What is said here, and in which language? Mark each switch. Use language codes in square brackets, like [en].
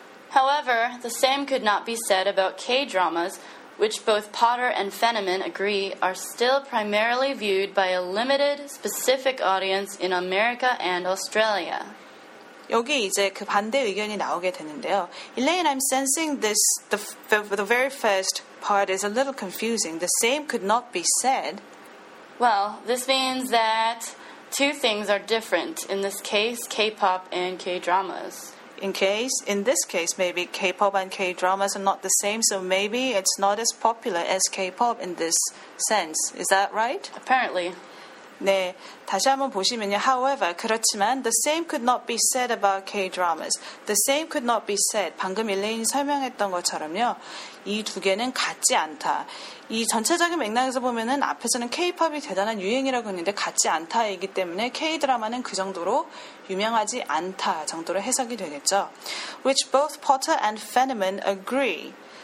[en] However, the same could not be said about K-dramas, which both Potter and Fenneman agree are still primarily viewed by a limited, specific audience in America and Australia. [ko] 여기 이제 그 반대 의견이 나오게 되는데요. [en] Elaine, I'm sensing this, the very first part is a little confusing. The same could not be said. Well, this means that two things are different. In this case, K-pop and K-dramas. In this case, maybe K-pop and K-dramas are not the same, so maybe it's not as popular as K-pop in this sense. Is that right? Apparently. [ko] 네, 다시 한번 보시면요. [en] However, [ko] 그렇지만 [en] the same could not be said about K-dramas. The same could not be said. [ko] 방금 일레인이 설명했던 것처럼요. 이 두 개는 같지 않다. 이 전체적인 맥락에서 보면은 앞에서는 K-pop이 대단한 유행이라고 했는데 같지 않다이기 때문에 K-드라마는 그 정도로 유명하지 않다 정도로 해석이 되겠죠. [en] Which both Potter and Fenneman agree.